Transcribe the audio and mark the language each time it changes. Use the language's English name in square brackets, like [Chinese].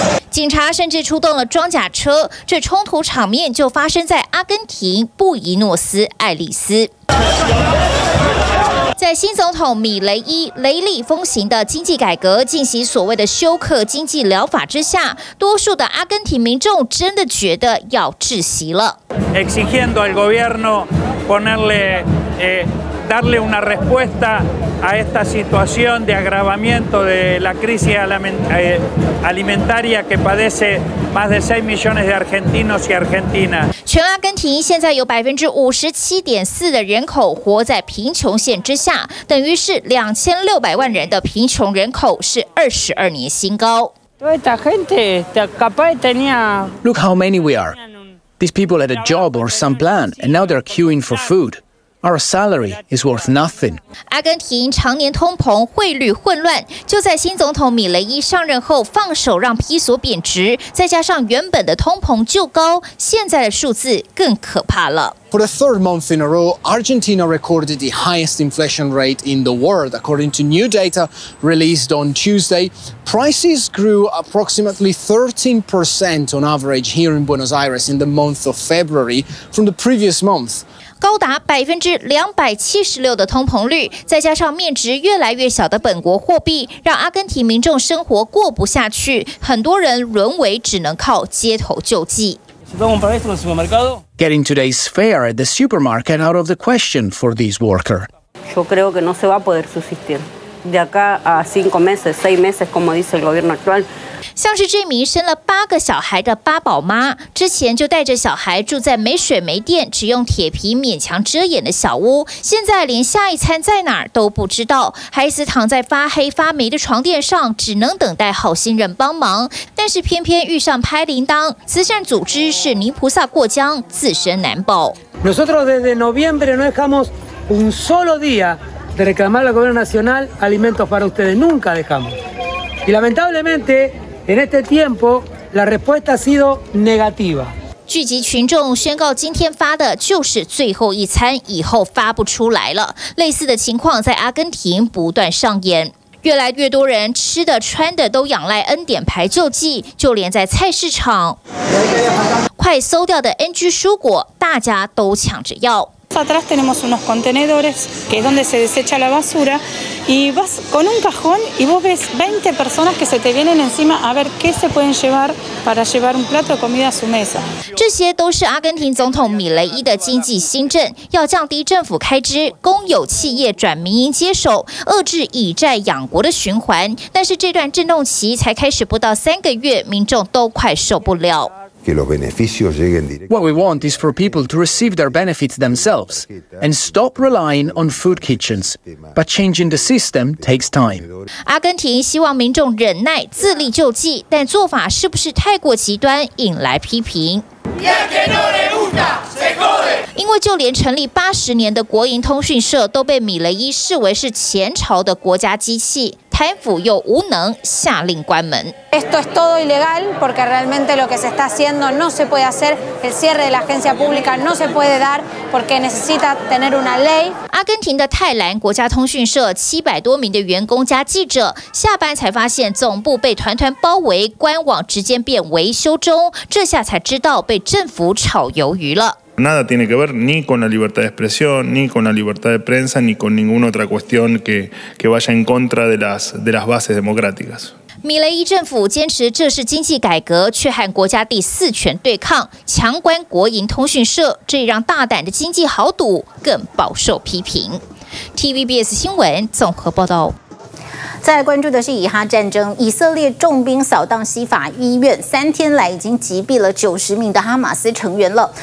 [Chinese] 警察甚至出动了装甲车，这冲突场面就发生在阿根廷布宜诺斯艾利斯。在新总统米雷伊雷厉风行的经济改革进行所谓的休克经济疗法之下，多数的阿根廷民众真的觉得要窒息了。 [Spanish] Exigiendo al gobierno ponerle darle una respuesta a esta situación de agravamiento de la crisis alimentaria que padece más de 6 millones de argentinos y argentinas. [Chinese] 全阿根廷现在有57.4%的人口活在贫穷线之下，等于是2600万人的贫穷人口是22年新高。 [Spanish] Esta gente capaz tenía. [English] Look how many we are. These people had a job or some plan, and now they're queuing for food. Our salary is worth nothing. [Chinese] 阿根廷常年通膨，汇率混乱，就在新总统米雷伊上任后放手让披索贬值，再加上原本的通膨就高，现在的数字更可怕了。 [English] For the third month in a row, Argentina recorded the highest inflation rate in the world, according to new data released on Tuesday. Prices grew approximately 13% on average here in Buenos Aires in the month of February from the previous month. [Chinese] 高达276%的通膨率，再加上面值越来越小的本国货币，让阿根廷民众生活过不下去，很多人沦为只能靠街头救济。 [English] Getting today's fare at the supermarket out of the question for these workers. [Spanish] Yo creo que no se va a poder subsistir de acá a 5 meses, 6 meses, como dice el gobierno actual. [Chinese] 像是这名生了8个小孩的八宝妈，之前就带着小孩住在没水没电、只用铁皮勉强遮掩的小屋，现在连下一餐在哪儿都不知道，孩子躺在发黑发霉的床垫上，只能等待好心人帮忙。但是偏偏遇上拍铃铛，慈善组织是泥菩萨过江，自身难保。 [Spanish] Nosotros desde noviembre no dejamos un solo día de reclamar al gobierno nacional alimentos para ustedes, nunca dejamos. Y lamentablemente, en este tiempo, la respuesta ha sido negativa. [Chinese] 聚集群众宣告今天发的就是最后一餐，以后发不出来了。类似的情况在阿根廷不断上演。越来越多人吃的穿的都仰赖恩典牌救济，就连在菜市场，快馊掉的 NG 蔬果，大家都抢着要。 [Spanish] Atrás tenemos unos contenedores que es donde se desecha la basura y vas con un cajón y vos ves 20 personas que se te vienen encima a ver qué se pueden llevar para llevar un plato de comida a su mesa. [Chinese] 这些都是阿根廷总统米雷伊的经济新政，要降低政府开支，公有企业转民营接手，遏制以债养国的循环。但是这段震动期才开始不到3个月，民众都快受不了。 [English] What we want is for people to receive their benefits themselves and stop relying on food kitchens. But changing the system takes time. [Chinese] 阿根廷希望民众忍耐，自力救济，但做法是不是太过极端，引来批评？因为就连成立80年的国营通讯社都被米雷伊视为是前朝的国家机器。台府又无能，下令关门。 [Spanish] Esto es todo ilegal, porque realmente lo que se está haciendo no se puede hacer. El cierre de la agencia pública no se puede dar, porque necesita tener una ley. [Chinese] 阿根廷的泰兰国家通讯社700多名的员工加记者，下班才发现总部被团团包围，官网直接变维修中，这下才知道被政府炒鱿鱼了。 [Spanish] Nada tiene que ver ni con la libertad de expresión, ni con la libertad de prensa, ni con ninguna otra cuestión que vaya en contra de las bases democráticas. [Chinese] 米雷伊政府坚持这是经济改革，却和国家第四权对抗，强关国营通讯社，这也让大胆的经济豪赌更饱受批评。TVBS 新闻综合报道。再来关注的是以哈战争，以色列重兵扫荡西法医院，三天来已经击毙了90名的哈马斯成员了。